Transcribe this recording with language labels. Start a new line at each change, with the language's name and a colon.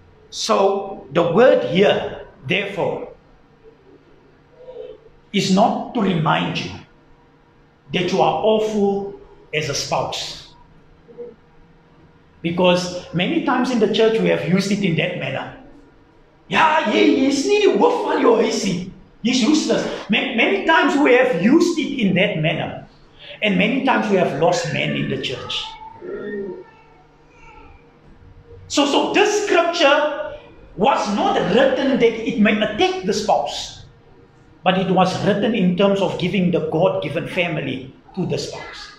English: So the word here, therefore, is not to remind you that you are awful as a spouse. Because many times in the church we have used it in that manner.
Afrikaans: Ja, hy is nie die hoof van jou huis nie.
English: He's useless. Many times we have used it in that manner. And many times we have lost men in the church. So this scripture was not written that it may attack the spouse. But it was written in terms of giving the God-given family to the spouse.